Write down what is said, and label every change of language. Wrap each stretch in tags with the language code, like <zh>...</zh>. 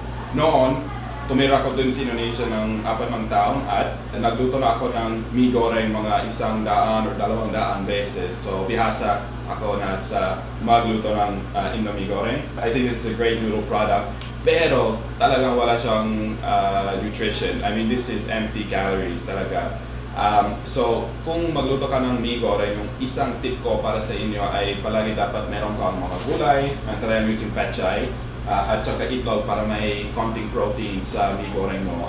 <tl>Noon, tumira ko dun sa Indonesia ng 4 taon at nagluto na ako ng mi goreng mga 100 or 200 beses. So, bihasa ako na sa magluto ng Indomie goreng.</tl> <en>I think this is a great noodle product.</en> <tl>Pero talagang wala siyang nutrition.</tl> <en>I mean, this is empty calories</en> <tl>talaga. So, kung magluto ka ng mi goreng, yung isang tip ko para sa inyo ay palagi dapat meron kang mga gulay,</tl> <en>and try and using</en> <tl>pechay, at saka itlog para may konting protein sa mi goreng mo.</tl>